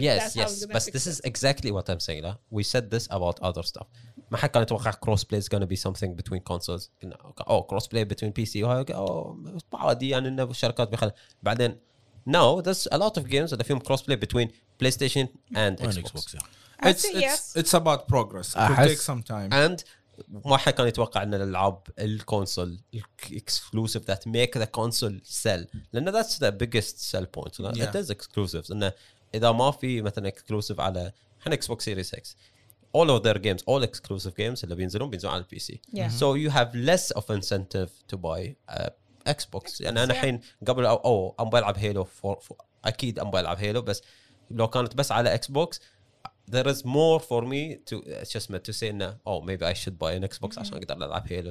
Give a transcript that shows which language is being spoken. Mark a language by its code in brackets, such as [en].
[en] Yes, that's yes. But this is exactly what I'm saying. We said this about other stuff. I didn't think crossplay is going to be something between consoles. Oh, crossplay between PC. Oh, it's a lot of companies. Then, no, there's a lot of games that film crossplay between PlayStation and Xbox. It's about progress. It'll take some time. [ar] And ما حد كان يتوقع ان الالعاب الكونسول الاكسكلوسيف [en] that make the console sell. لأن that's the biggest sell point. Yeah. It is exclusives. [ar] إن إذا ما في مثلا اكسكلوسيف على حن [en] Xbox Series X, all of their games, all exclusive games [ar] اللي بينزلون [en] على PC. Yeah. Mm-hmm. So you have less of incentive to buy Xbox. [ar] يعني أنا الحين قبل أم بلعب هيلو أكيد أم بلعب هيلو, بس لو كانت بس على Xbox [en] there is more for me to just to say maybe I should buy an Xbox [ar] عشان أقدر ألعب هيلو.